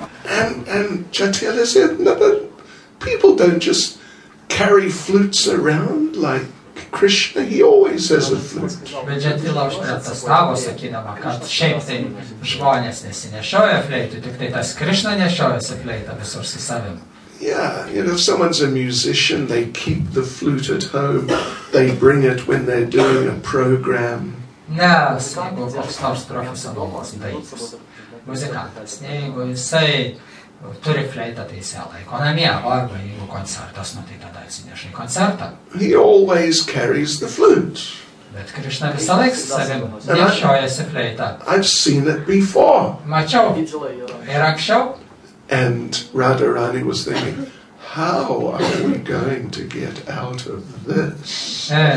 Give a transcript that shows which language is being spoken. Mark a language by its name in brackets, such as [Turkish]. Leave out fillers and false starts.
[English] And Jatila said, no, but people don't just carry flutes around like Krishna, he always has a flute. [Lithuanian] Bet Jatila užprietastavo, sakydama, kad šiaip tai žmonės nesinešioja fleitų, tik tai tas Krishna nešiojasi fleitą visur su savim. [English] Yeah, you know, if someone's a musician, they keep the flute at home, they bring it when they're doing a program. [Lithuanian] Nes, jeigu koks nors profesionalus dainius, muzikantas, jeigu jisai turi fleitą, tai jisai laiko namie, arba jeigu koncertas, nu, tai tada atsinešai koncertą. [English] He always carries the flute. [Lithuanian] Bet Krishna visą laiką su savim nešiojasi fleitą. [English] I've seen it before. [Lithuanian] Mačiau ir anksčiau. [English] And Radharani was thinking, how are we going to get out of this?